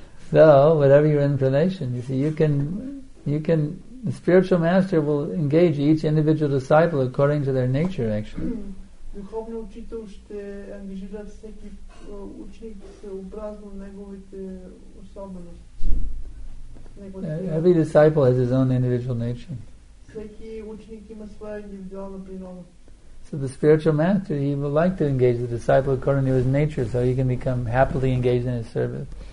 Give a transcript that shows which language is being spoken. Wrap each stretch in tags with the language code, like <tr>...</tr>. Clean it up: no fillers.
<en>So, whatever your inclination, you see, you can the spiritual master will engage each individual disciple according to their nature, actually.</en> <bg>Духовният учител ще ангажира всеки ученик съобразно неговите особености.</bg> <en>Every disciple has his own individual nature.</en> <bg>Всеки ученик има своя индивидуална природа.</bg> <en>So the spiritual master, he would like to engage the disciple according to his nature, so he can become happily engaged in his service.</en>